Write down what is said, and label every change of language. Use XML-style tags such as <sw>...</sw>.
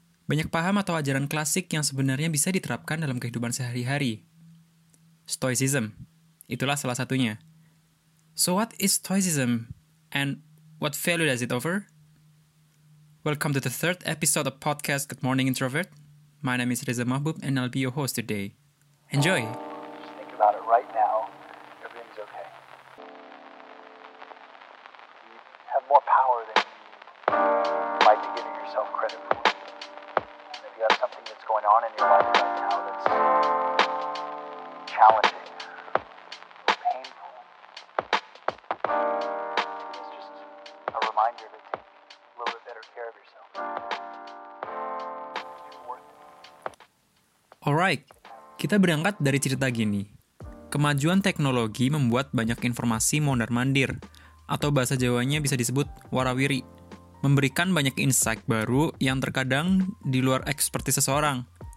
<id>Banyak paham atau ajaran klasik yang sebenarnya bisa diterapkan dalam kehidupan sehari-hari. Stoicism, itulah salah satunya.</id> <en>So what is Stoicism, and what value does it offer? Welcome to the third episode of podcast Good Morning Introvert. My name is Reza Mahbub, and I'll be your host today. Enjoy! Just think about it right now. Everything's okay. You have more power than you like to give yourself credit for. And if you have something that's going on in your life right now that's challenging or painful, it's just a reminder to take a little bit better care of yourself.</en> <id>Alright, kita berangkat dari cerita gini. Kemajuan teknologi membuat banyak informasi mondar-mandir, atau bahasa Jawanya bisa disebut warawiri, memberikan banyak insight baru yang terkadang di luar ekspertis seseorang.</id>